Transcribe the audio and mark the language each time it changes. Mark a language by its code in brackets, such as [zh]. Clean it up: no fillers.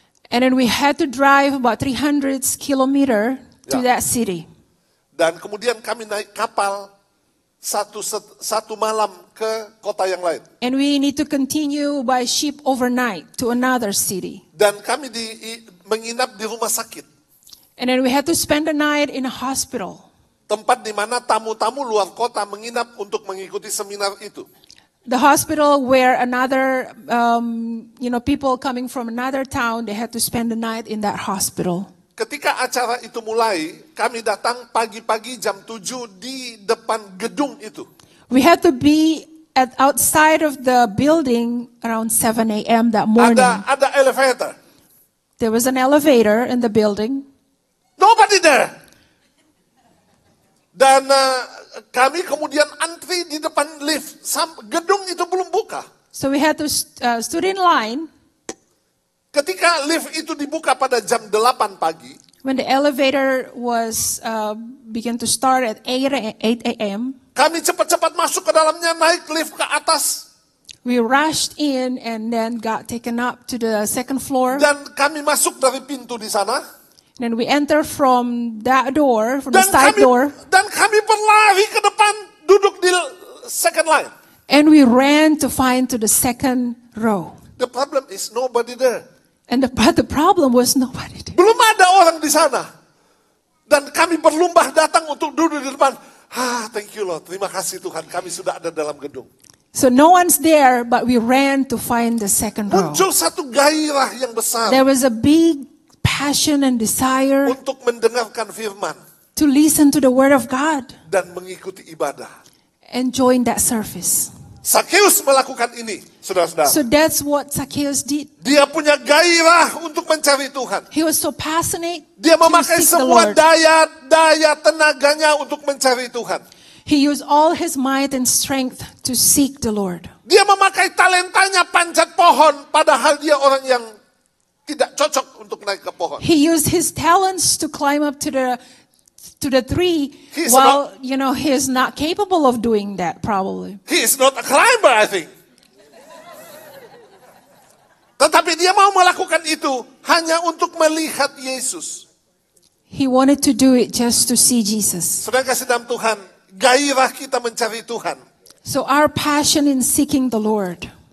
[en] And then we had to drive about 300 kilometers to that city. [id] Dan kemudian kami naik kapal satu malam ke kota yang lain. [en] And we need to continue by ship overnight to another city. [id] Dan kami menginap di rumah sakit. [en] And then we had to spend the night in a hospital. [id] Tempat di mana tamu-tamu luar kota menginap untuk mengikuti seminar itu. [en] The hospital where another, people coming from another town, they had to spend the night in that hospital. [id] Ketika acara itu mulai, kami datang pagi-pagi jam 7 di depan gedung itu. [en] We had to be at outside of the building around 7 a.m. that morning. [id] Ada elevator. [en] There was an elevator in the building. Nobody there. [id] Dan kami kemudian antri di depan lift. Gedung itu belum buka. [en] So we had to stood in line. [id] Ketika lift itu dibuka pada jam 8 pagi. [en] When the elevator was begin to start at 8 a.m. [id] Kami cepat-cepat masuk ke dalamnya, naik lift ke atas. [en] We rushed in and then got taken up to the second floor. [id] Dan kami masuk dari pintu di sana. [en] Then we enter from that door, from dan the side [id] kami, [en] door. [id] Dan kami berlari ke depan, duduk di [en] second line. And we ran to find to the second row. The problem is nobody there. And the problem was nobody there. [id] Belum ada orang di sana. Dan kami berlomba datang untuk duduk di depan. [en] Ah, thank you Lord. [id] Terima kasih Tuhan, kami sudah ada dalam gedung. [en] So no one's there, but we ran to find the second row. [id] Muncul satu gairah yang besar. [en] There was a big passion and desire [id] untuk mendengarkan firman. [en] To listen to the word of God. [id] Dan mengikuti ibadah. [en] And join that service. [id] Zacchaeus melakukan ini, saudara-saudara. [en] So that's what Zacchaeus did. [id] Dia punya gairah untuk mencari Tuhan. [en] He was so passionate. [id] Dia memakai semua daya tenaganya untuk mencari Tuhan. [en] He used all his might and strength to seek the Lord. [id] Dia memakai talentanya panjat pohon, padahal dia orang yang tidak cocok untuk naik ke pohon. [en] He used his talents to climb up to the tree. He is not capable of doing that, probably. He is not a climber, I think. [id] Tetapi dia mau melakukan itu hanya untuk melihat Yesus. [en] He wanted to do it just to see Jesus. [id] Sudah kasih dalam Tuhan, gairah kita mencari Tuhan. [en] So our passion in seeking the Lord